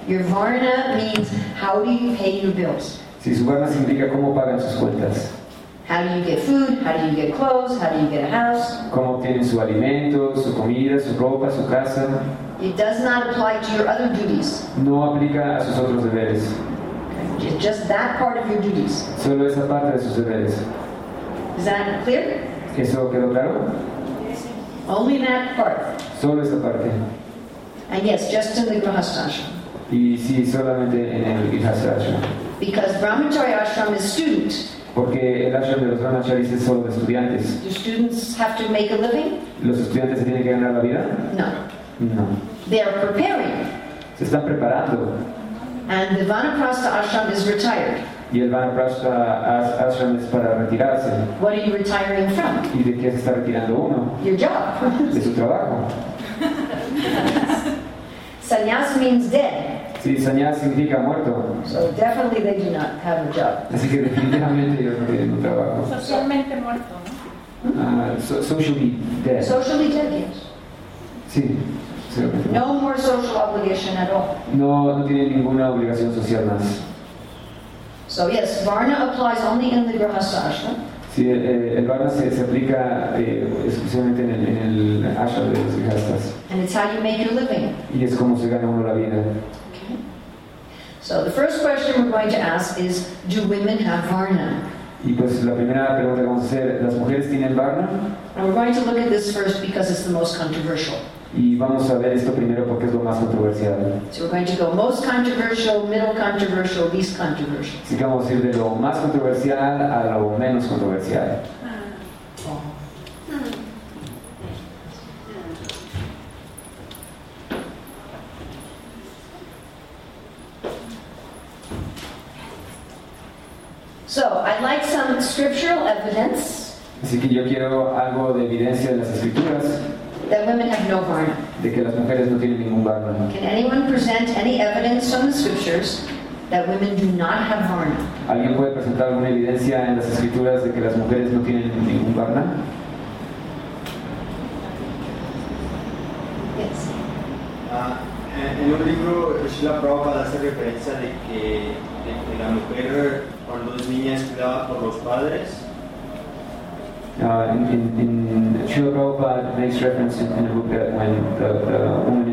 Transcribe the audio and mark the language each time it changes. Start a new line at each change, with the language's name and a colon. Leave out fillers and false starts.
English: Your varna means how do you pay your bills.
Spanish: Si su varna significa cómo pagan sus cuentas.
English: How do you get food? How do you get clothes? How do you get a house?
Spanish: ¿Cómo obtienen su alimento, su comida, su ropa, su casa?
English: It does not apply to your other duties.
Spanish: No aplica a sus otros deberes.
English: Okay. It's just that part of your duties.
Spanish: Solo esa parte de sus deberes.
English: Is that clear?
Spanish: ¿Eso quedó claro?
English: Only that part.
Spanish: Solo esa parte.
English: And yes, just in the Grihastha Ashram.
Spanish: Y sí, solamente en el Grihastha Ashram.
English: Because Brahmacharya Ashram is student.
Spanish: Porque el ashram de los Brahmacharis es solo de estudiantes.
English: Do students have to make a living?
Spanish: ¿Los estudiantes se tienen que ganar la vida?
English: No.
Spanish: No.
English: They are preparing.
Spanish: Se están preparando.
English: And the Vanaprastha Ashram is retired.
Spanish: Y el Vanaprastha Ashram es para retirarse.
English: What are you retiring from?
Spanish: ¿Y de qué se está retirando uno?
English: Your job.
Spanish: De su trabajo.
English: Sannyas means dead.
Spanish: Sí, sannyas significa muerto.
English: So definitely they do not have a job.
Spanish: Así que definitivamente ellos no tienen un trabajo. Socialmente muerto, ¿no?
English: Socially dead. Socially dead, yes.
Spanish: Sí.
English: No more social obligation at all.
Spanish: No, no tiene ninguna obligación social más.
English: So yes, varna applies only in the Grihastha Ashram.
Spanish: Sí, el varna se aplica exclusivamente en el ashram de los grihastas.
English: And it's how you make your living.
Spanish: Y es como se gana uno la vida.
English: Okay. So the first question we're going to ask is, do women have varna?
Spanish: Y pues la primera pregunta que vamos a hacer, ¿las mujeres tienen varna?
English: And we're going to look at this first because it's the most controversial.
Spanish: Y vamos a ver esto primero porque es lo más controversial.
English: So we're going to go most controversial, middle controversial, least controversial.
Spanish: Así que vamos a ir de lo más controversial a lo menos controversial.
English: So, I'd like some scriptural evidence.
Spanish: Así que yo quiero algo de evidencia de las escrituras.
English: That women have no varna.
Spanish: De que las mujeres no tienen ningún varna.
English: Can anyone present any evidence from the scriptures that women do not have varna?
Spanish: ¿Alguien puede presentar alguna evidencia en las escrituras de que las mujeres no tienen ningún varna?
English: Yes.
Spanish: En un libro, Srila Prabhupada hace referencia de que la mujer o las niñas cuidaba por los padres.
English: In Srila Prabhupada makes reference in a book that when the woman